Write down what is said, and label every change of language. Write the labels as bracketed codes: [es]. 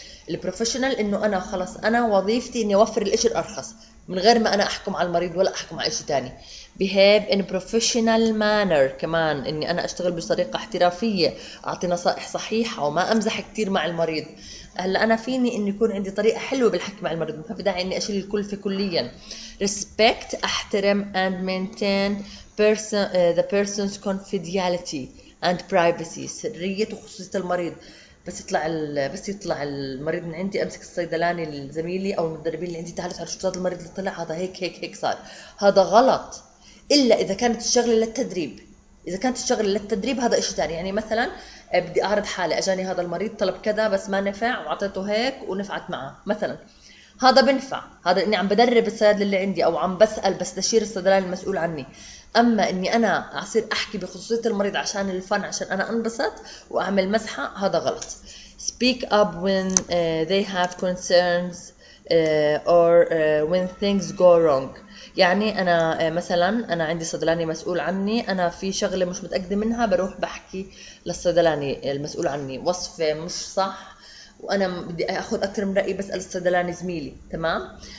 [ar] البروفيشنال انه انا خلص انا وظيفتي اني اوفر الاشي الارخص من غير ما انا احكم على المريض ولا احكم على اشي تاني. [en] behave in professional manner [ar] كمان اني انا اشتغل بطريقة احترافية، اعطي نصائح صحيحة وما امزح كتير مع المريض. هلا انا فيني اني يكون عندي طريقة حلوة بالحكي مع المريض، ما في داعي اني اشيل الكل في كليا. [en] respect [ar] احترم [en] and maintain the person's confidentiality and privacy [ar] سرية وخصوصية المريض. بس يطلع المريض من عندي امسك الصيدلاني الزميلي او المدربين اللي عندي، تعالوا تعرفوا شو هذا المريض اللي طلع، هذا هيك هيك هيك صار، هذا غلط. الا اذا كانت الشغله للتدريب، اذا كانت الشغله للتدريب هذا شيء ثاني. يعني مثلا بدي اعرض حالي، اجاني هذا المريض طلب كذا بس ما نفع واعطيته هيك ونفعت معه مثلا، هذا بنفع، هذا اني عم بدرب الصيادله اللي عندي او عم بسال بس استشير الصيدلاني المسؤول عني. اما اني انا اصير احكي بخصوصيه المريض عشان الفن، عشان انا انبسط واعمل مزحه، هذا غلط. [en] speak up when they have concerns or when things go wrong. [ar] يعني انا مثلا انا عندي صيدلاني مسؤول عني، انا في شغله مش متاكده منها، بروح بحكي للصيدلاني المسؤول عني وصفه مش صح وانا بدي اخذ اكثر من رايي، بسال الصيدلاني زميلي، تمام.